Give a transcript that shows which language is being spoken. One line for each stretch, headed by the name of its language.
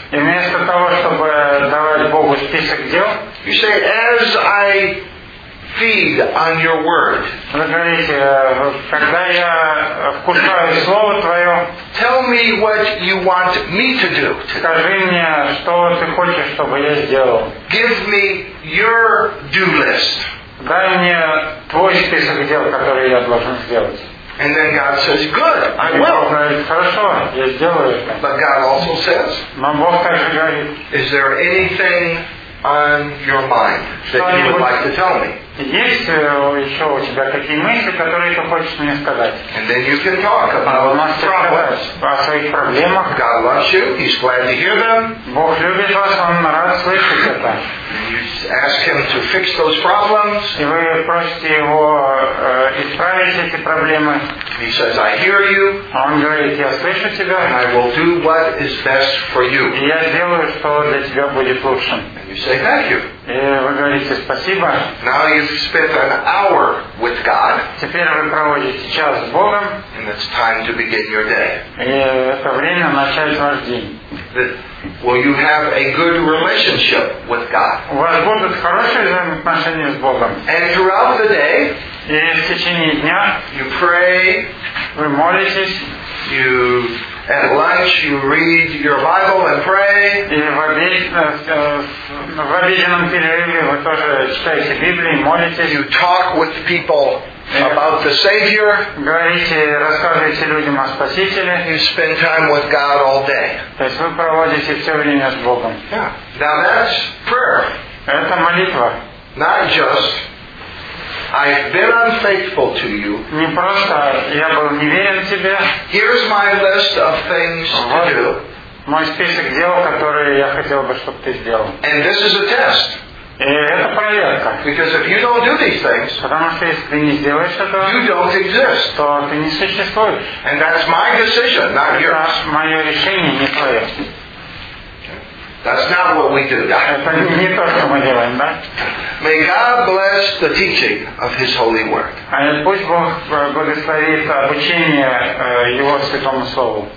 Russian: и вместо того, чтобы давать Богу список дел,
English: you say, as I feed on your word.
Russian: Вы говорите, когда я вкушаю слово твое,
English: tell me what you want me to do.
Russian: Скажи мне, что ты хочешь, чтобы я сделал.
English: Give me your do list.
Russian: Дай мне твой список дел, которые я должен сделать.
English: And then God says, good, I will.
Russian: Бог говорит, хорошо, я сделаю это.
English: But God also says,
Russian: но Бог также говорит,
English: is there anything on your mind that you would like to tell me?
Russian: Есть еще у тебя такие мысли, которые ты хочешь мне сказать?
English: And then you can talk about problems.
Russian: О своих проблемах.
English: God loves you. He's glad to hear them.
Russian: Бог любит вас, он рад слышать это.
English: And you ask him to fix those problems.
Russian: И вы просите его исправить эти проблемы.
English: He says, I hear you.
Russian: Он говорит, я слышу тебя.
English: And I will do what is best for you.
Russian: И я сделаю, что для тебя будет лучшим.
English: And you say, thank you.
Russian: И вы говорите спасибо.
English: Now you've spent an hour with God.
Russian: Теперь вы проводите час с Богом.
English: And it's time to begin your day.
Russian: И это время начать ваш день.
English: Will you have a good relationship with God?
Russian: У вас будут хорошие взаимоотношения с Богом.
English: And throughout the day,
Russian: и в течение дня,
English: you pray,
Russian: вы молитесь,
English: you at lunch you read your Bible and pray.
Russian: В обеденном перерыве вы тоже читаете Библию, молитесь.
English: You talk with people about the Savior.
Russian: Говорите, рассказывайте людям о Спасителе.
English: You spend time with God all day.
Russian: То есть вы проводите все время с Богом.
English: Yeah. Now that's prayer.
Russian: Это молитва.
English: Not just I've been unfaithful to you.
Russian: Не просто я был неверен тебе.
English: Here's my list of things to do.
Russian: Мой список дел, которые я хотел бы, чтобы ты сделал.
English: And this is a test.
Russian: И это проверка.
English: Because if you don't do these things,
Russian: потому что если ты не сделаешь этого,
English: you don't exist.
Russian: То ты не существуешь.
English: And that's my decision, not yours.
Russian: Это мое решение, не твое.
English: That's not what we do.
Russian: Это не то, что мы делаем, да?
English: May God bless the teaching of His holy word.
Russian: И пусть Бог благословит обучение Его святому слову.